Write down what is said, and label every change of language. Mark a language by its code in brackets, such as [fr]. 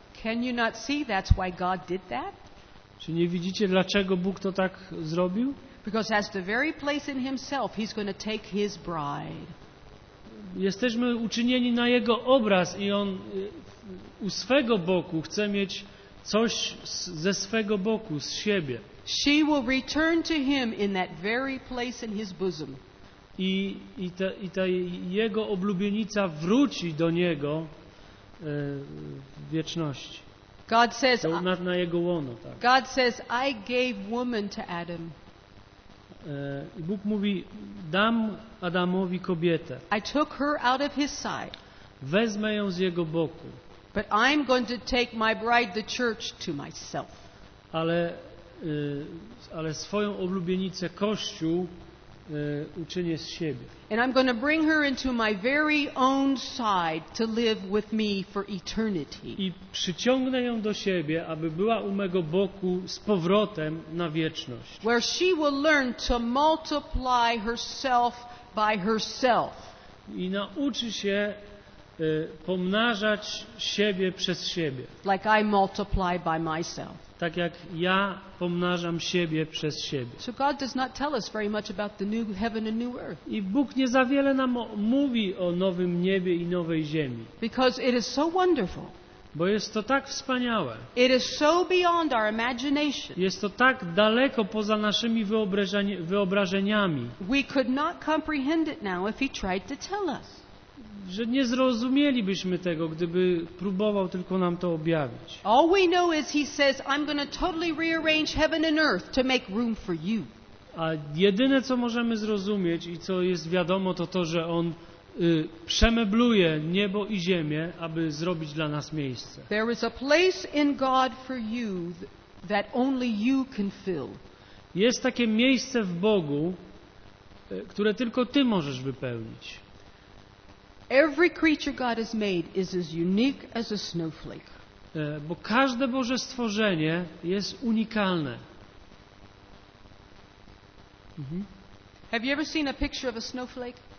[en] Can you not see that's why God did that? [pl] Czy nie widzicie, dlaczego Bóg to tak zrobił? [en] Because that's the very place in himself he's going to take his bride. [pl] Jesteśmy uczynieni na jego obraz i on u swego boku chce mieć coś ze swego boku, z siebie. [en] She will return to him in that very place in his bosom. [pl] I ta jego oblubienica wróci do niego w wieczności. [en] God says, [pl] na jego łono, tak. [en] God says, I gave woman to Adam. [pl] Bóg mówi, dam Adamowi kobietę. [en] I took her out of his side. [pl] Wezmę ją z jego boku. [en] But I'm going to take my bride, the church, to myself. [pl] Ale swoją oblubienicę Kościół uczynię z siebie. [en] And I'm going to bring her into my very own side to live with me for eternity. [pl] I przyciągnę ją do siebie, aby była u mego boku z powrotem na wieczność. [en] Where she will learn to multiply herself by herself. [pl] I nauczy się pomnażać siebie przez siebie. [en] Like I multiply by myself. [pl] Tak jak ja pomnażam siebie przez siebie. [en] So God does not tell us very much about the new heaven and new earth. [pl] I Bóg nie za wiele nam mówi o nowym niebie i nowej ziemi. [en] Because it is so wonderful. [pl] Bo jest to tak wspaniałe. [en] It is so beyond our imagination. [pl] Jest to tak daleko poza naszymi wyobrażeniami. [en] We could not comprehend it now if he tried to tell us. [pl] Że nie zrozumielibyśmy tego, gdyby próbował tylko nam to objawić. [en] All we know is he says I'm going to totally rearrange heaven and earth to make room for you. [pl] A jedyne co możemy zrozumieć i co jest wiadomo to, że on przemebluje niebo i ziemię, aby zrobić dla nas miejsce. [en] There is a place in God for you that only you can fill. [pl] Jest takie miejsce w Bogu, które tylko ty możesz wypełnić. [en] Every creature God has made is as unique as a snowflake. [pl] Bo każde Boże stworzenie jest unikalne. [en] Have you ever seen a picture of a snowflake?